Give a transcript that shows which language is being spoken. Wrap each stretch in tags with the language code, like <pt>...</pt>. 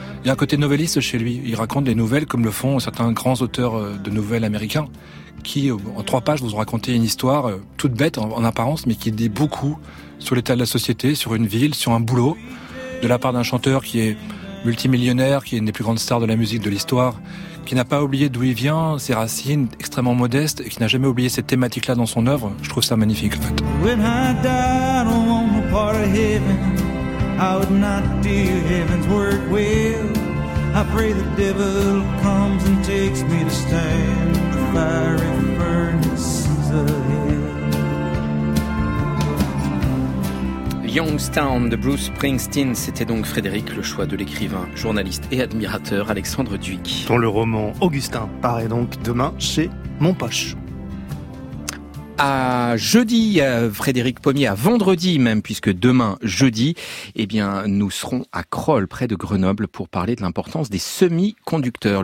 <fr>Il y a un côté novelliste chez lui. Il raconte des nouvelles comme le font certains grands auteurs de nouvelles américains qui, en trois pages, vous ont raconté une histoire toute bête en apparence, mais qui dit beaucoup sur l'état de la société, sur une ville, sur un boulot, de la part d'un chanteur qui est multimillionnaire, qui est une des plus grandes stars de la musique de l'histoire, qui n'a pas oublié d'où il vient, ses racines extrêmement modestes, et qui n'a jamais oublié cette thématique-là dans son œuvre. Je trouve ça magnifique, en fait.</fr> <en>When I die, I want a part of heaven. I would not do heaven's work well. I pray the devil comes and takes me to stand the fiery furnaces of hell.</en> <fr>Youngstown de Bruce Springsteen, c'était donc Frédéric, le choix de l'écrivain, journaliste et admirateur Alexandre Duyck. Dont le roman Augustin paraît donc demain chez Mon Poche. À jeudi, Frédéric Pommier, à vendredi même, puisque demain, jeudi, eh bien, nous serons à Crolles, près de Grenoble, pour parler de l'importance des semi-conducteurs.</fr>